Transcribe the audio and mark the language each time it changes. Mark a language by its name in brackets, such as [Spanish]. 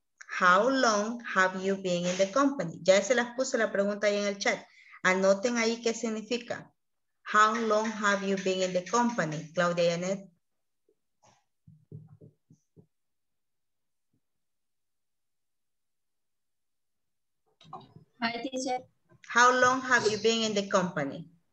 [English] How long have you been in the company? [Spanish] Ya se las puse la pregunta ahí en el chat. Anoten ahí qué significa. [English] How long have you been in the company, Claudia Janet? Hi, teacher. How long have you been in the company?